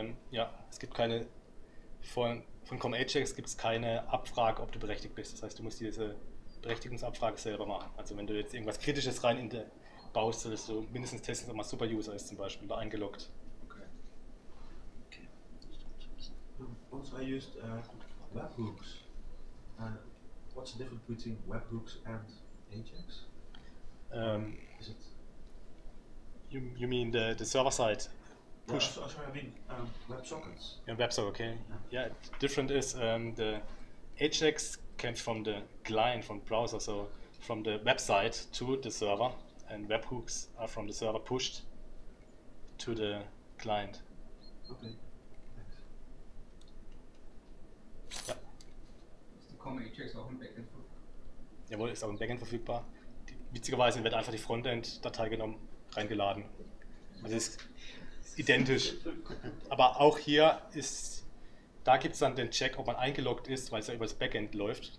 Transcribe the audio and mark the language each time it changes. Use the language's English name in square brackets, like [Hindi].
[German] Ja, es gibt keine, von ComAjax gibt es keine Abfrage, ob du berechtigt bist. Das heißt, du musst diese Berechtigungsabfrage selber machen. Also wenn du jetzt irgendwas Kritisches rein in der baust, solltest du mindestens testen, ob man Superuser ist zum Beispiel, oder eingeloggt. Okay. [English] Once I used webhooks, what's the difference between webhooks and AJAX? You mean the server-side push? Yeah, sorry, I mean WebSockets. Yeah, WebSockets, okay. Yeah, yeah, different is the AJAX came from the client, from browser, so from the website to the server, and webhooks are from the server pushed to the client. Okay, thanks. [German] Ja. Ist die ComAjax auch im Backend verfügbar? Jawohl, ist auch im Backend verfügbar. Die, witzigerweise wird einfach die Frontend-Datei genommen, reingeladen. Also ist identisch. Aber auch hier ist, da gibt es dann den Check, ob man eingeloggt ist, weil es ja über das Backend läuft.